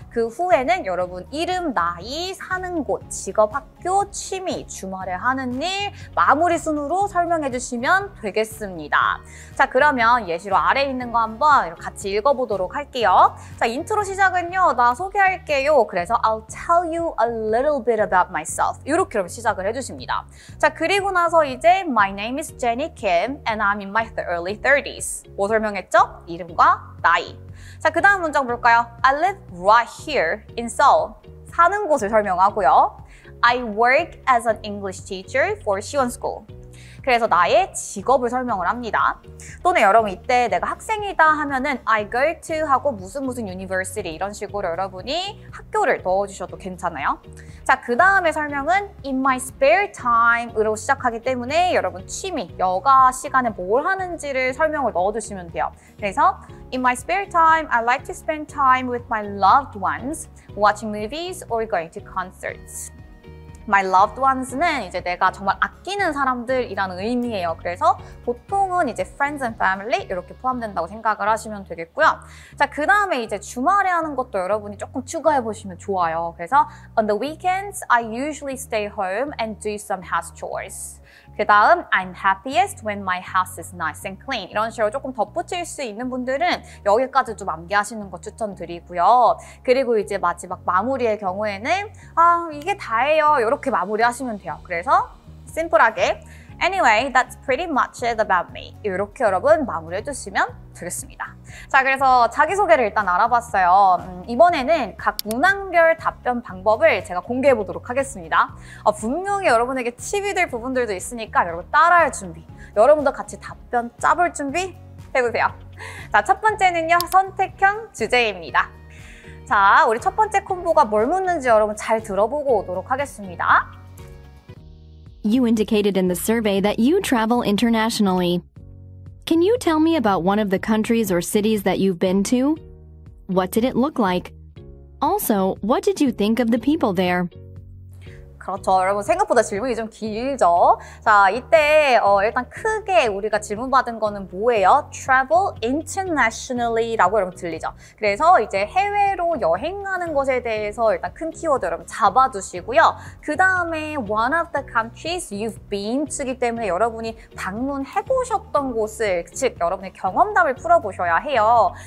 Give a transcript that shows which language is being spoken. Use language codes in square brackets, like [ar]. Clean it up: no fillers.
[ko] 그 후에는 여러분 이름, 나이, 사는 곳, 직업, 학교, 취미, 주말에 하는 일, 마무리 순으로 설명해 주시면 되겠습니다. 자, 그러면 예시로 아래 있는 거 한번 같이 읽어보도록 할게요. 자, 인트로 시작은요, 나 소개할게요. 그래서 [en] I'll tell you a little bit about myself. [ko] 이렇게 여러분 시작을 해주십니다. 자, 그리고 나서 이제 [en] My name is Jenny Kim and I'm in my early 30s. [ko] 뭐 설명했죠? 이름과 나이. 자, 그 다음 문장 볼까요? [en] I live right here in Seoul. [ko] 사는 곳을 설명하고요. [en] I work as an English teacher for Siwon School. [ko] 그래서 나의 직업을 설명을 합니다. 또는 여러분 이때 내가 학생이다 하면은 [en] I go to [ko] 하고 무슨 무슨 university 이런 식으로 여러분이 학교를 넣어주셔도 괜찮아요. 자, 그 다음에 설명은 [en] in my spare time [ko] 으로 시작하기 때문에 여러분 취미, 여가 시간에 뭘 하는지를 설명을 넣어주시면 돼요. 그래서 [en] in my spare time, I like to spend time with my loved ones, watching movies or going to concerts. My loved ones [ko] 는 이제 내가 정말 아끼는 사람들이라는 의미예요. 그래서 보통은 이제 [en] friends and family [ko] 이렇게 포함된다고 생각을 하시면 되겠고요. 자, 그 다음에 이제 주말에 하는 것도 여러분이 조금 추가해 보시면 좋아요. 그래서 [en] on the weekends, I usually stay home and do some house chores. [ko] 그 다음 [en] I'm happiest when my house is nice and clean. [ko] 이런 식으로 조금 덧붙일 수 있는 분들은 여기까지 좀 암기하시는 거 추천드리고요. 그리고 이제 마지막 마무리의 경우에는 아 이게 다예요 이렇게 마무리하시면 돼요. 그래서 심플하게 [en] Anyway, that's pretty much it about me. [ko] 이렇게 여러분 마무리해 주시면 되겠습니다. 자, 그래서 자기소개를 일단 알아봤어요. 이번에는 각 문항별 답변 방법을 제가 공개해 보도록 하겠습니다. 분명히 여러분에게 팁이 될 부분들도 있으니까 여러분 따라할 준비, 여러분도 같이 답변 짜볼 준비 해보세요. 자, 첫 번째는요, 선택형 주제입니다. 자, 우리 첫 번째 콤보가 뭘 묻는지 여러분 잘 들어보고 오도록 하겠습니다. [en] You indicated in the survey that you travel internationally. Can you tell me about one of the countries or cities that you've been to? What did it look like? Also, what did you think of the people there? [ko] 그렇죠. 여러분 생각보다 질문이 좀 길죠. 자, 이때 일단 크게 우리가 질문 받은 거는 뭐예요? [en] Travel internationally [ko] 라고 여러분 들리죠. 그래서 이제 해외로 여행하는 것에 대해서 일단 큰 키워드 여러분 잡아두시고요. 그 다음에 [en] one of the countries you've been [ko] 이기 때문에 여러분이 방문해보셨던 곳을 즉 여러분의 경험담을 풀어보셔야 해요.